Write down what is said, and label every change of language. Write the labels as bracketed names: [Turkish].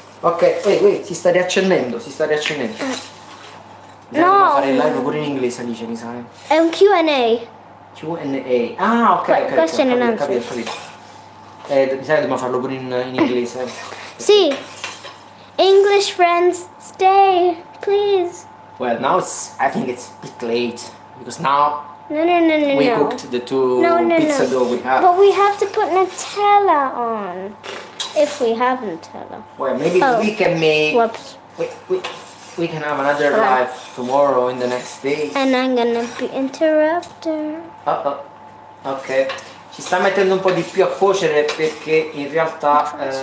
[Italian] Ok, si sta riaccendendo, si sta riaccendendo. No. Fare il live pure in inglese, dice, mi sa. È un Q&A. Q&A. Ah, ok, ok. Questo è in inglese. Capito. Mi sa che dobbiamo farlo pure in inglese. Sì. [English] English friends, stay, please. Well, now it's, I think it's a bit late because now no. cooked the two pizza dough we have. But we have to put Nutella on if we have Nutella. Well, maybe we can make. Whoops. We can have another live tomorrow in the next day. And I'm gonna be interrupter. Oh, okay. [Italian] Ci sta mettendo un po' di più a cuocere perché in realtà.